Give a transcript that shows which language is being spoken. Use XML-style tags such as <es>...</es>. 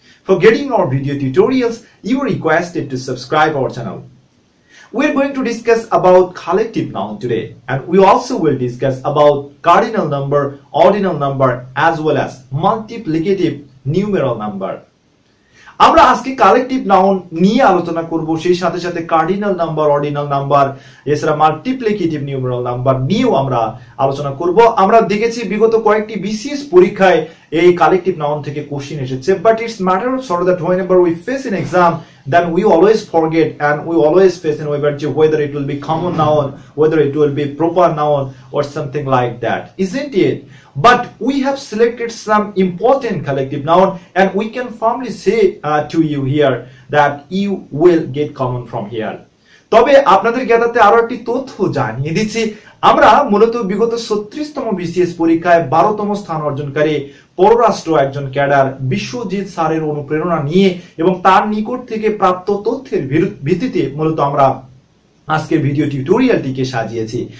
<en>For getting our video tutorials, you are requested to subscribe our channel. We are going to discuss about collective noun today, and we also will discuss about cardinal number, ordinal number, as well as multiplicative numeral number.</en> <bn>আমরা আজকে collective noun নিয়ে আলোচনা করব, সেই সাথে সাথে cardinal number, ordinal number, এছাড়া multiplicative numeral number নিয়েও আমরা আলোচনা করব। আমরা দেখেছি বিগত কয়েকটি বিসিএস পরীক্ষায় এই কালেকটিভ নাউন থেকে কোশ্চিন এসেছে,</bn> <en>But it's matter of sort that whenever we face in exam then we always forget and we always face in waver যে whether it will be common noun, whether it will be proper noun or something like that, isn't it? But we have selected some important collective noun, and we can firmly say to you here that you will get common from here.</en> <bn>Tobe apnader gyatate aro ekti totthyo janiye dicchi, amra muloto bigoto 37 tomo BCS porikkhay 12 tomo sthan orjonkari পররাষ্ট্র একজন cadre Biswajit স্যারের অনুপ্রেরণা নিয়ে এবং তার নিকট থেকে প্রাপ্ত তথ্যের ভিত্তিতে মূলত আমরা আজকের ভিডিও টিউটোরিয়ালটিকে সাজিয়েছি।</bn>